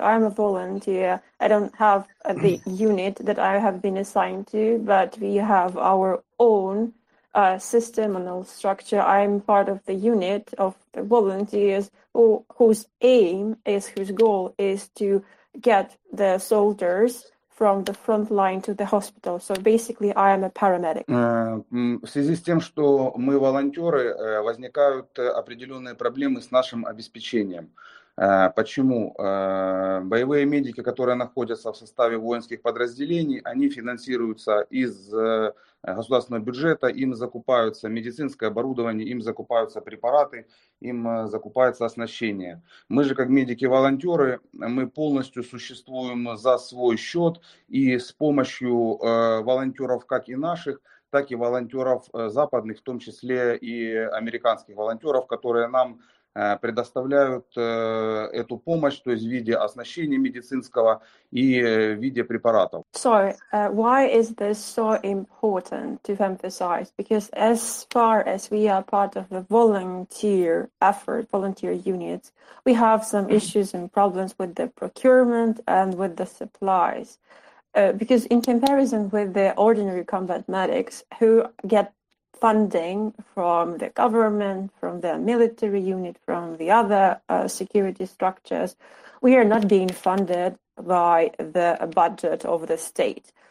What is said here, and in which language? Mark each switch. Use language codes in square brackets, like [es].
[en] I'm a volunteer. I don't have the unit that I have been assigned to, but we have our own system and all structure. I'm part of the unit of the volunteers whose goal is to get the soldiers from the front line to the hospital. So basically, I am a paramedic. [ru] В связи с тем, что мы волонтеры, возникают определенные проблемы с нашим обеспечением. Почему? Боевые медики, которые находятся в составе воинских подразделений, они финансируются из государственного бюджета, им закупаются медицинское оборудование, им закупаются препараты, им закупается оснащение. Мы же, как медики-волонтеры, мы полностью существуем за свой счет и с помощью волонтеров, как и наших, так и волонтеров западных, в том числе и американских волонтеров, которые нам предоставляют эту помощь, то есть в виде оснащения медицинского и в виде препаратов. [en] So, why is this so important to emphasize? Because as far as we are part of the volunteer effort, volunteer units, we have some issues and problems with the procurement and with the supplies. Because in comparison with the ordinary combat medics who get funding from the government, from the military unit, from the other security structures, we are not being funded by the budget of the state.